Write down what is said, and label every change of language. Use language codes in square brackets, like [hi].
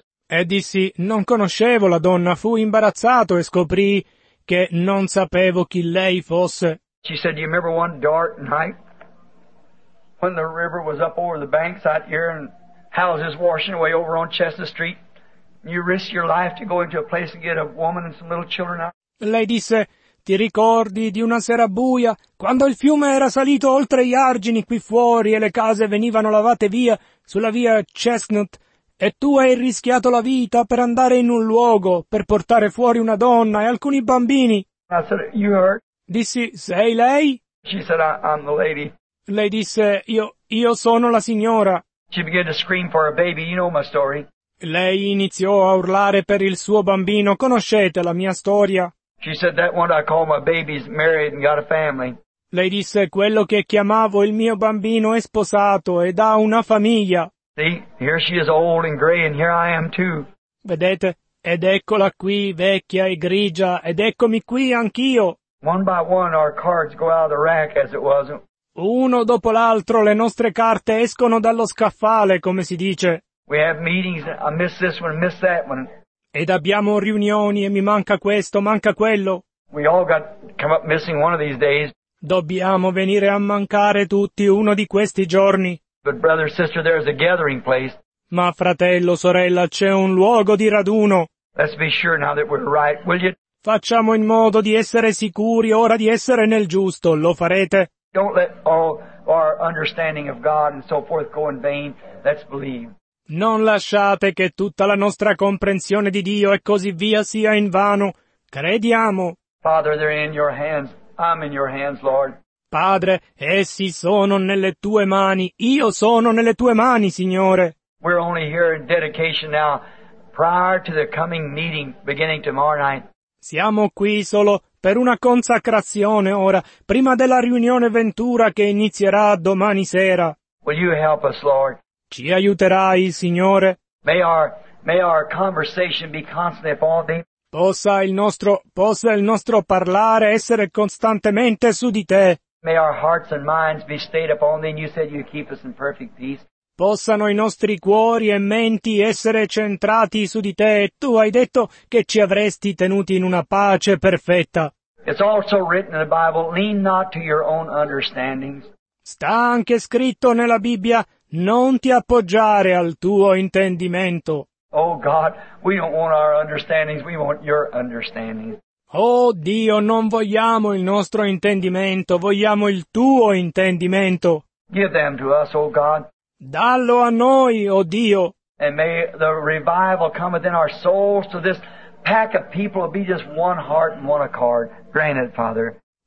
[it] E dissi, non conoscevo la donna, fu imbarazzato e scoprì che non sapevo chi lei fosse. [en] She said, you remember one dark night when the river was up over the banks out here and houses washing away over on Chestnut Street? You risked your life to go into a place and get a woman and some little children out? [it] Lei disse, ti ricordi di una sera buia, quando il fiume era salito oltre gli argini qui fuori e le case venivano lavate via sulla via Chestnut, e tu hai rischiato la vita per andare in un luogo per portare fuori una donna e alcuni bambini? [en] I said, you heard? [it] Dissi, sei lei? [en] She said, I'm the lady. [it] Lei disse, io sono la signora. [en] She began to scream for a baby, you know my story. [it] Lei iniziò a urlare per il suo bambino, conoscete la mia storia. [en] She said, that one I call my baby's married and got a family. [it] Lei disse, quello che chiamavo il mio bambino è sposato ed ha una famiglia. [en] See, here she is old and gray and here I am too. [it] Vedete, ed eccola qui, vecchia e grigia, ed eccomi qui anch'io. [en] One by one our cards go out of the rack, as it was. [it] Uno dopo l'altro le nostre carte escono dallo scaffale, come si dice. [en] We have meetings, I miss this one, miss that one. [it] Ed abbiamo riunioni e mi manca questo, manca quello. [en] We all got come up missing one of these days. [it] Dobbiamo venire a mancare tutti uno di questi giorni. [en] But brother, sister, there's a gathering place. [it] Ma fratello, sorella, c'è un luogo di raduno. [en] Let's be sure now that we're right, will you? [it] Facciamo in modo di essere sicuri ora di essere nel giusto, lo farete? [en] Don't let all our understanding of God and so forth go in vain. Let's believe. [it] Non lasciate che tutta la nostra comprensione di Dio e così via sia in vano. Crediamo. [en] Father, they're in your hands. I'm in your hands, Lord. [it] Padre, essi sono nelle tue mani. Io sono nelle tue mani, Signore. [en] We're only here in dedication now, prior to the coming meeting beginning tomorrow night. [it] Siamo qui solo per una consacrazione ora, prima della riunione Ventura che inizierà domani sera. [en] Will you help us, Lord? [it] Ci aiuterai, Signore? [en] May our conversation be constantly upon thee. [it] Possa il nostro parlare essere costantemente su di te. [en] May our hearts and minds be stayed upon thee, and you said you keep us in perfect peace. [it] Possano i nostri cuori e menti essere centrati su di te, e tu hai detto che ci avresti tenuti in una pace perfetta. [en] It's also written in the Bible, lean not to your own understandings. [it] Sta anche scritto nella Bibbia, non ti appoggiare al tuo intendimento. [en] Oh God, we don't want our understandings, we want your understanding. [it] Oh Dio, non vogliamo il nostro intendimento, vogliamo il tuo intendimento. [en] Give them to us, oh God. [it] Dallo a noi, oh Dio. [en] And may the revival come within our souls to this pack of people be just one heart and one accord. Granted, Father.